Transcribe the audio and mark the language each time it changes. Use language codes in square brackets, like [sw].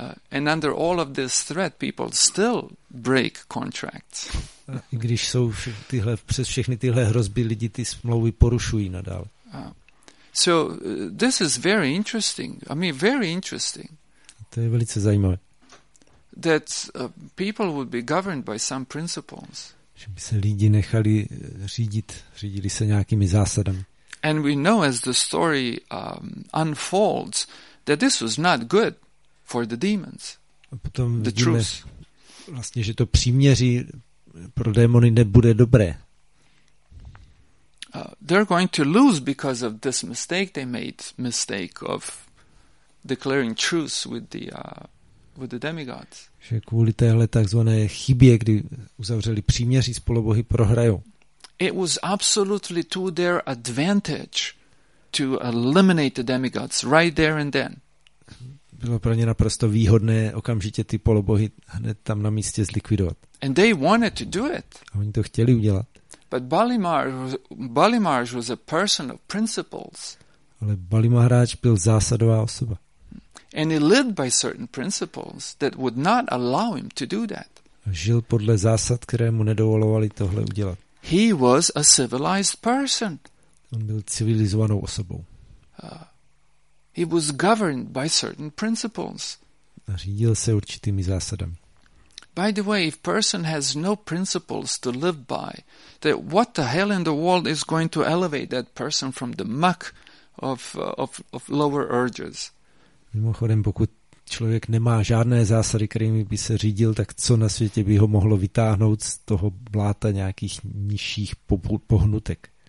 [en] And under all of this threat, people still break contracts. [cs] I když jsou přes všechny tyhle hrozby, lidi ty smlouvy porušují nadál. [en] So this is very interesting. I mean, very interesting. [cs] To je velice zajímavé. [en] That people would be governed by some principles. [cs] Že by se lidi nechali řídili se nějakými zásadami. [en] And we know as the story unfolds that this was not good for the demons. [cs] A potom vidíme vlastně, že to příměří pro démony nebude dobré. [en] They're going to lose because of this mistake they made, mistake of declaring truce with the demigods. [cs] Že kvůli téhle takzvané chybě, kdy uzavřeli příměří s polobohy, prohrajou. [en] It was absolutely to their advantage to eliminate the demigods right there and then. [cs] Bylo pro ně naprosto výhodné okamžitě ty polobohy hned tam na místě zlikvidovat. [en] And they wanted to do it. [cs] A oni to chtěli udělat. [en] But Balimarj was a person of principles. [cs] Ale Balimahráč byl zásadová osoba. [en] And he lived by certain principles that would not allow him to do that. [cs] Žil podle zásad, které mu nedovolovaly tohle udělat. [en] He was a civilized person. [cs] On byl civilizovanou osobou. [en] He was governed by certain principles. [cs] Řídil se určitými zásadami. [en] By the way, if person has no principles to live by, then what the hell in the world is going to elevate that person from the muck of lower urges? [cs] Mimochodem, pokud člověk nemá žádné zásady, kterými by se řídil, tak co na světě by ho mohlo vytáhnout z toho bláta nějakých nižších pohnutek?